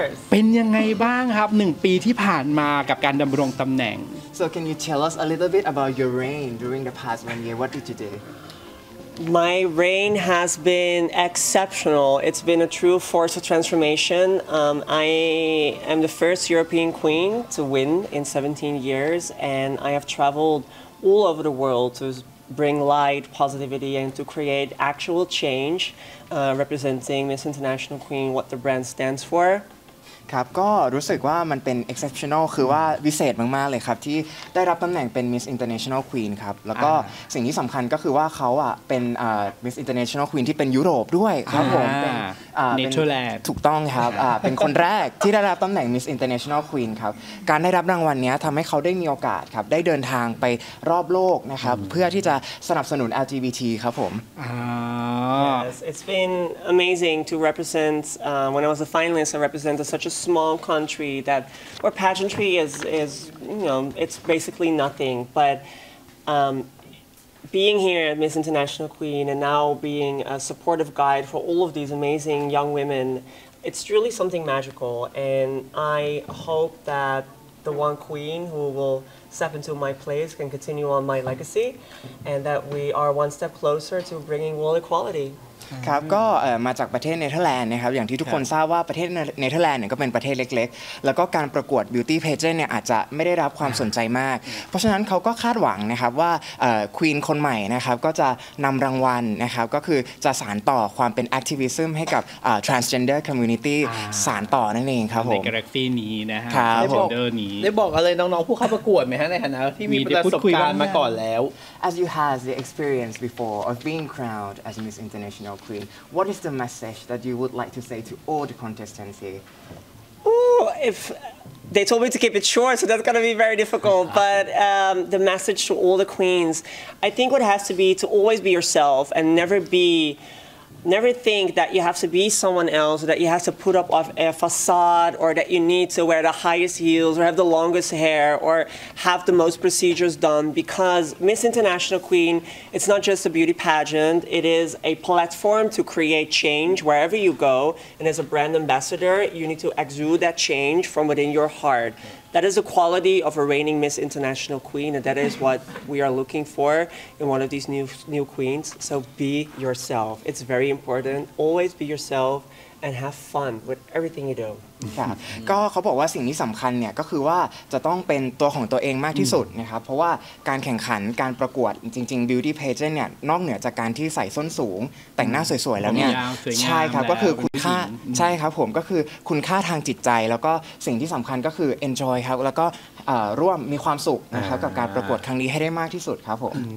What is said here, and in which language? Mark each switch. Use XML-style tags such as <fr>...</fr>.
<th>เป็นยังไงบ้างครับ1ปีที่ผ่านมากับการดำรงตำแหน่ง</th> <en>So can you tell us a little bit about your reign during the past 1 year? What did you do? My reign has been exceptional. It's been a true force of transformation. I am the first European queen to win in 17 years, and I have traveled all over the world to bring light, positivity, and to create actual change representing Miss International Queen, what the brand stands for.</en> <th>ครับก็รู้สึกว่ามันเป็น exceptional คือว่าวิเศษมากๆเลยครับที่ได้รับตำแหน่งเป็น Miss International Queen ครับแล้วก็สิ่งที่สำคัญก็คือว่าเขาอ่ะเป็น Miss International Queen ที่เป็นยุโรปด้วยครับผม เป็นเนเธอร์แลนด์ถูกต้องครับเป็นคนแรก ที่ได้รับตำแหน่ง Miss International Queen ครับการได้รับรางวัลนี้ทำให้เขาได้มีโอกาสครับได้เดินทางไปรอบโลกนะครับเพื่อที่จะสนับสนุน LGBT ครับผม</th> <en>Yes it's been amazing to represent when I was a finalist I represented suchSmall country that where pageantry is you know it's basically nothing but being here at Miss International Queen and now being a supportive guide for all of these amazing young women it's truly something magical and I hope that the one queen who will step into my place can continue on my legacy and that we are one step closer to bringing world equality</en> <th>ครับก็มาจากประเทศเนเธอร์แลนด์นะครับอย่างที่ทุกคนทราบว่าประเทศเนเธอร์แลนด์เนี่ยก็เป็นประเทศเล็กๆแล้วก็การประกวดบิวตี้เพจเนี่ยอาจจะไม่ได้รับความสนใจมากเพราะฉะนั้นเขาก็คาดหวังนะครับว่าควีนคนใหม่นะครับก็จะนำรางวัลนะครับก็คือจะสานต่อความเป็นแอคทิวิซึมให้กับทรานสเจนเดอร์คอมมูนิตี้สานต่อนั่นเองครับผม ในกาแล็กซี่นี้นะ ครับ เดอร์นี้ได้บอกอะไรน้องๆผู้เข้าประกวดไหมฮะในฐานะที่มีประสบการณ์มาก่อนแล้ว</th> <en>As you has the experience before of being crowned as Miss InternationalQueen, what is the message that you would like to say to all the contestants here? Oh, if they told me to keep it short, so that's going to be very difficult. But the message to all the queens, I think what has to be to always be yourself and never think that you have to be someone else, or that you have to put up a facade, or that you need to wear the highest heels, or have the longest hair, or have the most procedures done. Because Miss International Queen, it's not just a beauty pageant. It is a platform to create change wherever you go. And as a brand ambassador, you need to exude that change from within your heart. That is the quality of a reigning Miss International Queen, and that is what we are looking for in one of these new queens. So be yourself. It's very important. Always be yourself and have fun with everything you do.</en> <th>ก็เขาบอกว่าสิ่งที่สำคัญเนี่ยก็คือว่าจะต้องเป็นตัวของตัวเองมากที่สุดนะครับเพราะว่าการแข่งขันการประกวดจริงๆ</th> <en>beauty pageant</en> <th>เนี่ยนอกเหนือจากการที่ใส่ส้นสูงแต่งหน้าสวยๆแล้วเนี่ ย ใช่ครับก็คือคุณค่าใช่ครับผมก็คือคุณค่าทางจิตใจแล้วก็สิ่งที่สำคัญก็คือ enjoy ครับแล้วก็ร่วมมีความสุขนะครับกับการประกวดครั้งนี้ให้ได้มากที่สุดครับผม</th>